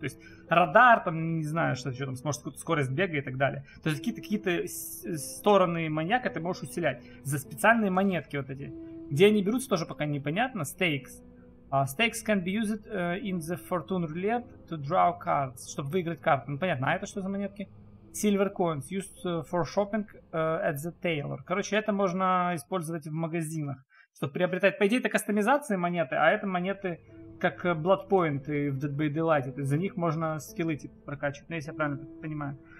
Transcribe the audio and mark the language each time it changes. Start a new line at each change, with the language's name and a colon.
Russian: То есть радар, там, не знаю, что там, сможет какую-то скорость бега и так далее. То есть какие-то стороны маньяка ты можешь усилять. За специальные монетки вот эти. Где они берутся, тоже пока непонятно. Стейкс.
English: Stakes can be used in the Fortune Roulette to draw cards,
Russian: чтобы выиграть карты. Ну, понятно, а это что за монетки?
English: Silver coins used for shopping at the tailor.
Russian: Короче, это можно использовать в магазинах, чтобы приобретать. По идее, это кастомизация монеты, а это монеты как Blood Point в Dead by Daylight. За них можно скиллы типа прокачивать, ну, если я правильно понимаю.